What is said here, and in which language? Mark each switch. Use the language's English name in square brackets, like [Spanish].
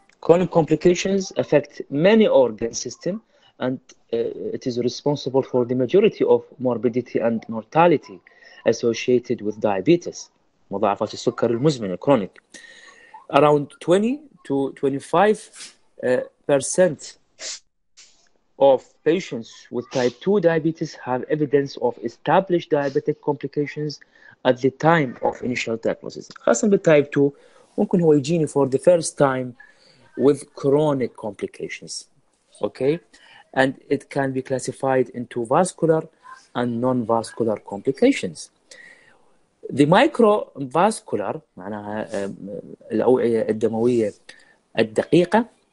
[English] Colon complications affect many organ system and it is responsible for the majority of morbidity and mortality associated with diabetes. [Arabic] مضاعفات السكر المزمنة chronic. [English] Around 20 to 25% of patients with type 2 diabetes have evidence of established diabetic complications at the time of initial diagnosis. [Arabic] خاصة بالtype 2 ممكن هو يجيني [English] for the first time with chronic complications. Okay? And it can be classified into vascular and non-vascular complications. The microvascular [Arabic] معناها الأوعية الدموية الدقيقة